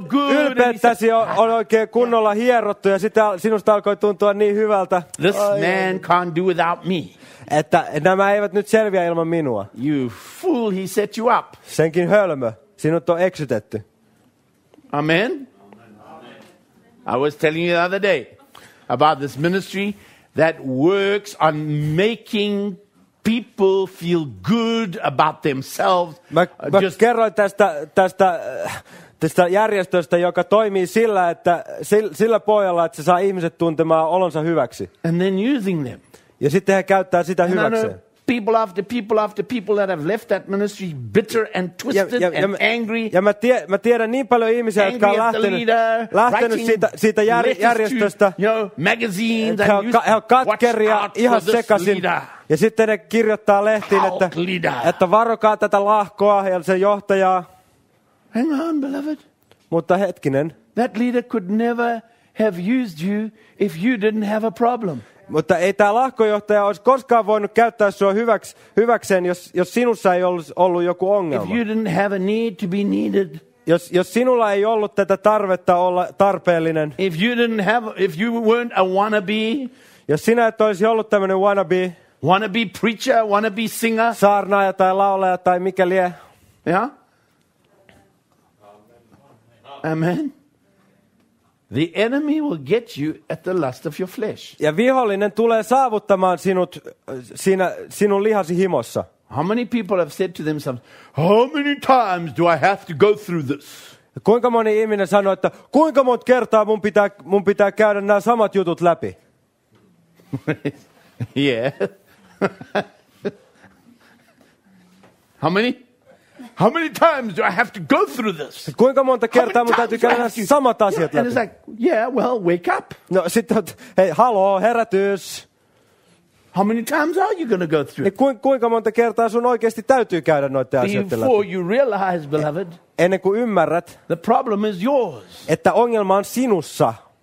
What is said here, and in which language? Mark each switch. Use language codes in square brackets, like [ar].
[fi] Ylpeyttäsi oli oikein kunnolla hierottu ja sinusta alkoi tuntua niin hyvältä. [en] This man can't do without me. [fi] Että nämä eivät nyt selviä ilman minua. [en] You fool, he set you up. [fi] Senkin hölmö, sinut on eksytetty. [en] Amen. I was telling you the other day about this ministry that works on making people feel good about themselves. [fi] Mä kerroin tästä järjestöstä, joka toimii sillä pohjalla, että se saa ihmiset tuntemaan olonsa hyväksi. [en] And then using them. [fi] Ja sitten he käyttää sitä hyväkseen. [en] People after people that have left that ministry bitter and twisted and angry. [fi] Ja mä tiedän niin paljon ihmisiä, jotka on lähtenyt siitä järjestöstä. [en] You know, magazines and newspapers. [fi] He on katkeria ihan sekaisin. Ja sitten ne kirjoittaa lehtiin, että varokaa tätä lahkoa ja sen johtajaa. [en] Hang on, beloved. [fi] Mutta hetkinen. [en] That leader could never have used you if you didn't have a problem. [fi] Mutta ei tämä lahkojohtaja olisi koskaan voinut käyttää sinua hyväkseen, jos sinussa ei olisi ollut joku ongelma. [en] If you didn't have a need to be needed. [fi] Jos sinulla ei ollut tätä tarvetta olla tarpeellinen. [en] If you weren't a wannabe. [fi] Jos sinä et olisi ollut tämmöinen wannabe. [en] Wannabe preacher, wannabe singer. [fi] Saarnaaja tai laulaja tai mikä lie. [en] Yeah? Amen. The enemy will get you at the lust of your flesh. [fi] Ja vihollinen tulee saavuttamaan sinut sinun lihasi himossa. [en] How many people have said to themselves, how many times do I have to go through this? [fi] Kuinka moni ihminen sanoo, että kuinka monta kertaa mun pitää käydä nämä samat jutut läpi? [en] Yeah. How many times do I have to go through this? [fi] Kuinka monta kertaa mun täytyy käydä samat asiat läpi? [en] And it's like, yeah, well, wake up. [fi] No, sitten, hey, hallo, herätys. [en] How many times are you going to go through it? [fi] Kuinka monta kertaa sun oikeasti täytyy käydä noita asioita läpi? [en] Before you realize, beloved, [fi] ennen kuin ymmärrät, [en] the problem is yours. [fi] Että ongelma on sinussa.